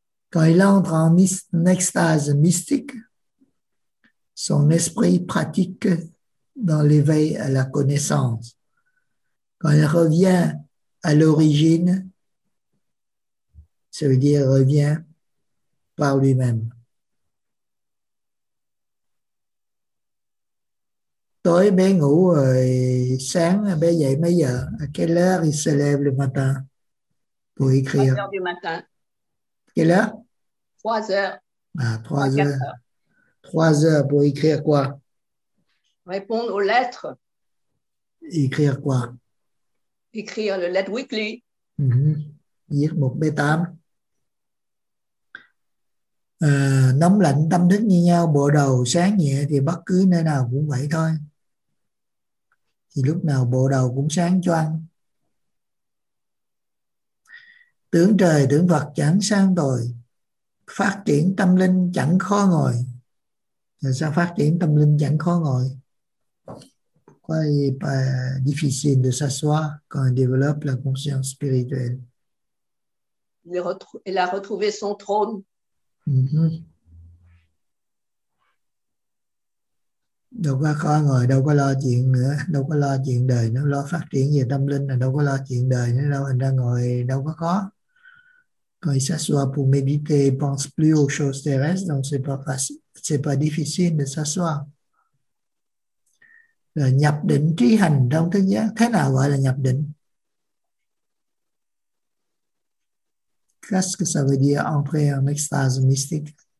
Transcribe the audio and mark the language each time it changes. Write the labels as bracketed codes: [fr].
[fr] Quand il entre en extase mystique, son esprit pratique dans l'éveil à la connaissance. Quand il revient à l'origine, ça veut dire revient par lui-même. [vi] Tối bé ngủ rồi, sáng bé dậy mấy giờ? [fr] À quelle heure il se lève le matin pour écrire? 3 heures du matin. Quelle heure? 3 heures. Ah, 3 heures. 3 heures pour écrire quoi? Répondre aux lettres. Écrire quoi? Écrire le [en] letter weekly. [vi] Viết một bê tám. Nóng lạnh tâm thức như nhau, bộ đầu sáng nhẹ thì bất cứ nơi nào cũng vậy thôi. Thì lúc nào bộ đầu cũng sáng choang. Tưởng trời tưởng Phật chẳng sang tồi. Phát triển tâm linh chẳng khó ngồi. Rồi sao phát triển tâm linh chẳng khó ngồi? [fr] Pourquoi il n'est pas difficile de s'asseoir quand on développe la conscience spirituelle? Il a retrouvé son trône. [vi] Đâu có khó ngồi, đâu có lo chuyện nữa, đâu có lo chuyện đời nữa, lo phát triển về tâm linh là đâu có lo chuyện đời nữa đâu, anh đang ngồi đâu có khó. [fr] Quand il s'assoit pour méditer, il pense plus aux choses terrestres, donc c'est pas facile, c'est pas difficile de s'asseoir. [vi] Rồi nhập định trí hành trong thức giác, thế nào gọi là nhập định? [fr] Qu'est-ce que ça veut dire entrer en extase mystique?